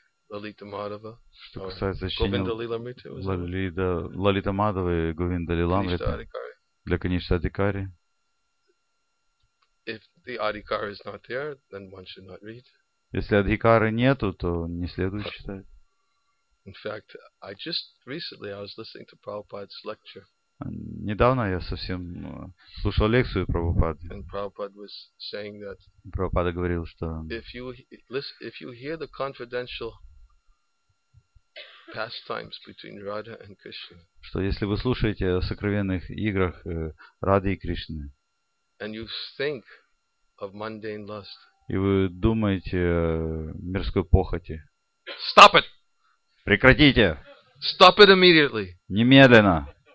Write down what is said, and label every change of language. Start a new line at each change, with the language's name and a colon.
Russian: Что касается чтения Лалита Мадхава и Говинда Лиламрита, для Каништа Адикари.
English: If the Adhikara is not there, then one should not read.
Russian: Если Адхикары нету, то не следует читать.
English: In fact, I just recently I was listening to Prabhupada's lecture.
Russian: Недавно я совсем слушал лекцию Прабхупады.
English: And Prabhupada was saying that.
Russian: Прабхупада говорил, что.
English: If you hear the confidential pastimes between Radha and Krishna.
Russian: Что если вы слушаете о сокровенных играх Рады и Кришны,
English: and you think of mundane lust,
Russian: и вы думаете о мирской похоти,
English: stop it!
Russian: Прекратите!
English: Stop it immediately!
Russian: Немедленно!